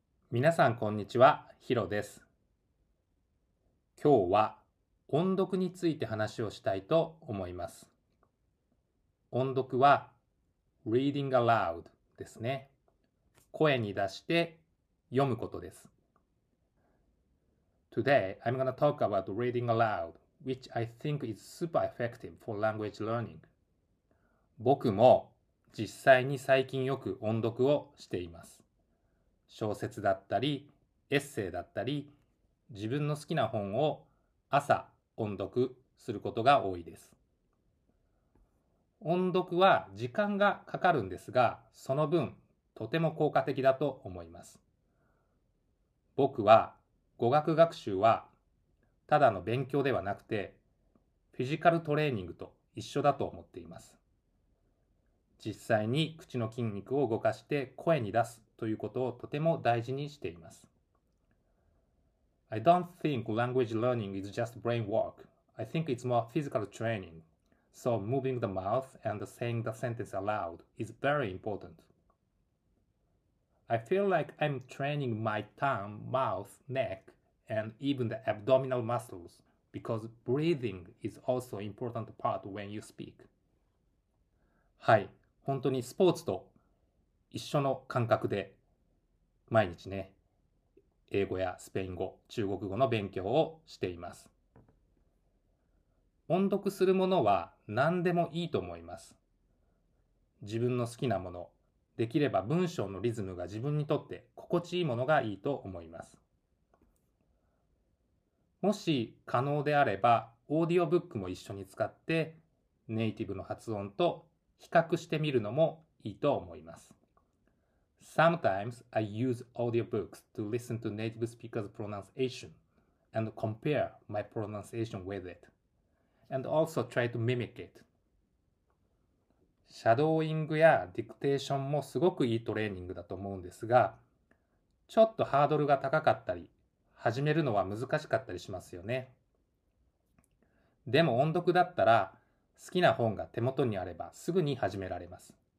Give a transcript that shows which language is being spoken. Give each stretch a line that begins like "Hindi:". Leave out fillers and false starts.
Japanese: 皆さんこんにちは、ヒロです。今日は音読について話をしたいと思います。音読は Reading Aloud ですね。声に出して読むことです。
English: Today, I'm going to talk about reading aloud, which I think is super effective for language learning.
Japanese: 僕も実際に最近よく音読をしています。小説だったり、エッセイだったり、自分の好きな本を朝音読することが多いです。音読は時間がかかるんですが、その分とても効果的だと思います。僕は語学学習はただの勉強ではなくて、フィジカルトレーニングと一緒だと思っています。実際に口の筋肉を動かして声に出すということをとても大事にしています。
English: I don't think language learning is just brain work. I think it's more physical training. So moving the mouth and saying the sentence aloud is very important. I feel like I'm training my tongue, mouth, neck, and even the abdominal muscles because breathing is also an important part when you speak.
Japanese: はい、本当にスポーツと一緒の感覚で毎日ね、英語やスペイン語、中国語の勉強をしています。音読するものは何でもいいと思います。自分の好きなもの、できれば文章のリズムが自分にとって心地いいものがいいと思います。もし可能であれば、オーディオブックも一緒に使ってネイティブの発音と比較してみるのもいいと思います。
English: Sometimes I use audiobooks to listen to native speakers' pronunciation and compare my pronunciation with it and also try to mimic it.
Japanese: シャドーイングやディクテーションもすごくいいトレーニングだと思うんですが、ちょっとハードルが高かったり、始めるのは難しかったりしますよね。でも音読だったら、好きな本が手元にあればすぐに始められます。